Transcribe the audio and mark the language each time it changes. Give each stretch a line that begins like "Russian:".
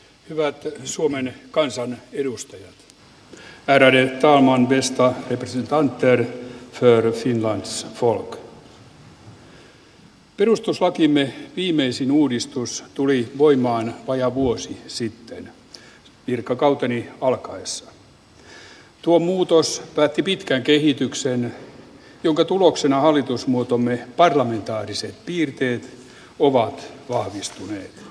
Finnish: Hyvät Suomen kansan edustajat.
Swedish: Ärade talman, bästa representanter för Finlands folk.
Finnish: Perustuslakimme viimeisin uudistus tuli voimaan vajaa vuosi sitten, virkakauteni alkaessa. Tuo muutos päätti pitkän kehityksen, jonka tuloksena hallitusmuotomme parlamentaariset piirteet ovat vahvistuneet.